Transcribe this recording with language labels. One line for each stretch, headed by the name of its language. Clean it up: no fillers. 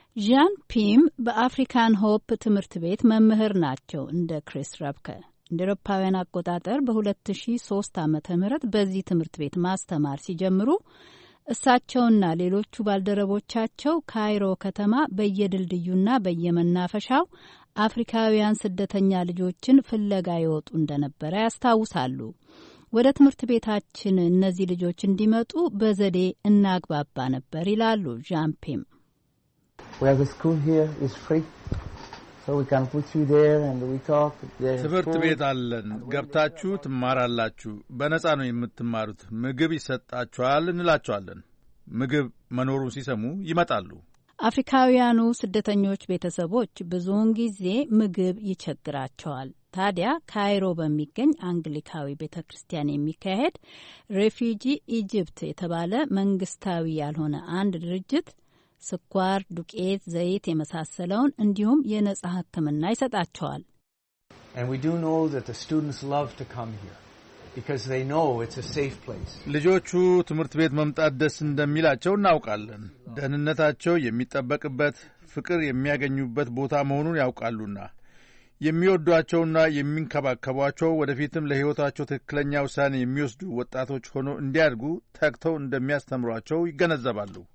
Amharic: ዣን ፒም በአፍሪካን ሆፕ ትምህርት ቤት መምህር ናቸው። እንደ ክሪስ ራብከ እንደ አውሮፓውያን አቆጣጠር በ2003 ዓመተ ምህረት በዚህ ትምህርት ቤት ማስተማር ሲጀምሩ እሳቸውና ሌሎቹ ባልደረቦቻቸው ካይሮ ከተማ በየድልድዩና በየመናፈሻው አፍሪካውያን ስደተኛ ልጆችን ፍለጋ ይወጡ እንደነበረ ያስታውሳሉ። ወደ ትምህርት ቤታችን እነዚህ ልጆች እንዲመጡ በዘዴ እናግባባ ነበር ይላሉ ዣምፔም።
English: Where the school here is free. So we can put you there and we talk.
Amharic: ትምህርት ቤት አለን ገብታችሁ ትማራላችሁ በነፃ ነው የምትማሩት ምግብ ይሰጣችኋል እንላችኋለን። ምግብ መኖሩን ሲሰሙ ይመጣሉ። አፍሪካውያኑ ስደተኞች ቤተሰቦች ብዙውን ጊዜ ምግብ ይቸግራቸዋል። ታዲያ ካይሮ በሚገኝ አንግሊካዊ ቤተክርስቲያን የሚካሄድ ሬፊጂ ኢጅፕት የተባለ መንግስታዊ ያልሆነ አንድ ድርጅት ስኳር፣ ዱቄት፣ ዘይት የመሳሰለውን እንዲሁም የነጻ ሕክምና ይሰጣቸዋል።
English: And we do know that the students love to come here because they know it's a safe place.
Amharic: ልጆቹ ትምህርት ቤት መምጣት ደስ እንደሚላቸው እናውቃለን። ደህንነታቸው የሚጠበቅበት ፍቅር የሚያገኙበት ቦታ መሆኑን ያውቃሉና የሚወዷቸውና የሚንከባከቧቸው ወደፊትም ለህይወታቸው ትክክለኛ ውሳኔ የሚወስዱ ወጣቶች ሆኖ እንዲያድጉ ተክተው እንደሚያስተምሯቸው ይገነዘባሉ።